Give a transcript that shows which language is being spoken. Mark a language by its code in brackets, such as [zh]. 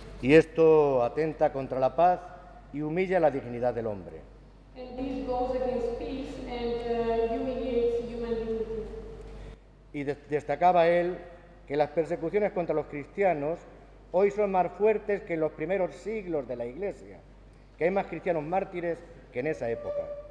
[es] Y esto atenta contra la paz y humilla la dignidad del hombre. [en] And this goes against peace and humiliates human dignity. [es] Y destacaba él que las persecuciones contra los cristianos hoy son más fuertes que en los primeros siglos de la Iglesia, que hay más cristianos mártires que en esa época.